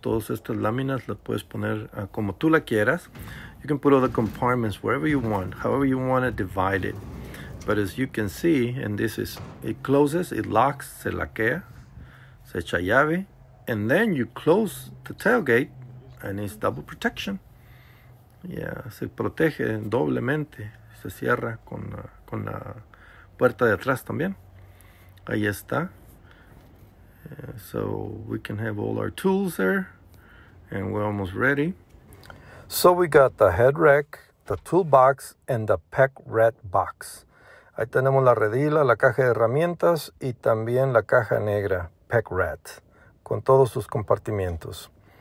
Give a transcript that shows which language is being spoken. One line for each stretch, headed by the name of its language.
Spanish: Todas estas láminas las puedes poner como tú la quieras.
English: You can put all the compartments wherever you want, however you want to divide it. But as you can see, and this is, it closes, it locks,
Spanish: se laquea, se echa llave.
English: And then you close the tailgate and it's double protection.
Spanish: Yeah, se protege doblemente. Se cierra con la puerta de atrás también. Ahí está.
English: So we can have all our tools there, and we're almost ready. So we got the head rack, the toolbox, and the pack rat box.
Spanish: Ahí tenemos la redila, la caja de herramientas, y también la caja negra, pack rat, con todos sus compartimientos.